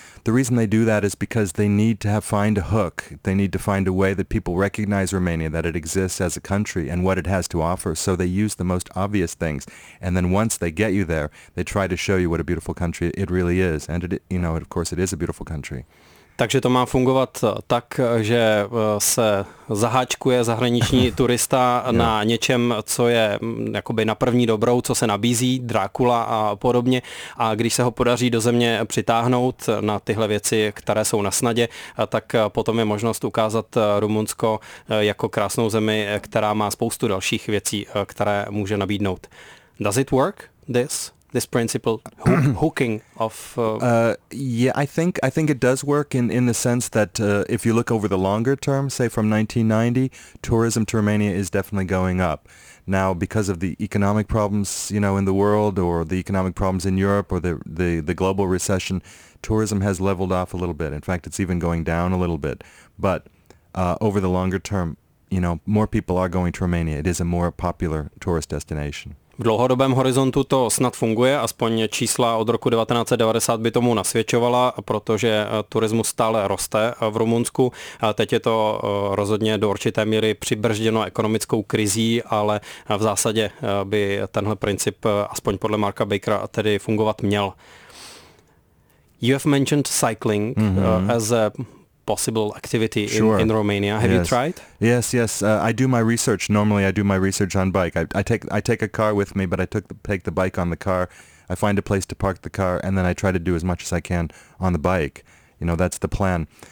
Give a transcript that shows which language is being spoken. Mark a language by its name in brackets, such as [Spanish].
[English] The reason they do that is because they need to find a hook. They need to find a way that people recognize Romania, that it exists as a country and what it has to offer. So they use the most obvious things. And then once they get you there, they try to show you what a beautiful country it really is. And it, you know, of course, it is a beautiful country. [Czech] Takže to má fungovat tak, že se zaháčkuje zahraniční turista na něčem, co je jakoby na první dobrou, co se nabízí, Drákula a podobně. A když se ho podaří do země přitáhnout na tyhle věci, které jsou na snadě, tak potom je možnost ukázat Rumunsko jako krásnou zemi, která má spoustu dalších věcí, které může nabídnout. [English] Does it work, this? This principle hooking of I think it does work in the sense that if you look over the longer term, say from 1990, tourism to Romania is definitely going up now because of the economic problems, you know, in the world, or the economic problems in Europe, or the global recession. Tourism has leveled off a little bit. In fact, it's even going down a little bit, but over the longer term, you know, more people are going to Romania. It is a more popular tourist destination. [Czech] V dlouhodobém horizontu to snad funguje, aspoň čísla od roku 1990 by tomu nasvědčovala, protože turismus stále roste v Rumunsku. Teď je to rozhodně do určité míry přibržděno ekonomickou krizí, ale v zásadě by tenhle princip aspoň podle Marka Bakera tedy fungovat měl. [English] You have mentioned cycling as a possible activity in Romania. Have you tried? Yes, yes. I do my research. Normally, I do my research on bike. I take a car with me, but I take the bike on the car. I find a place to park the car, and then I try to do as much as I can on the bike. You know, that's the plan.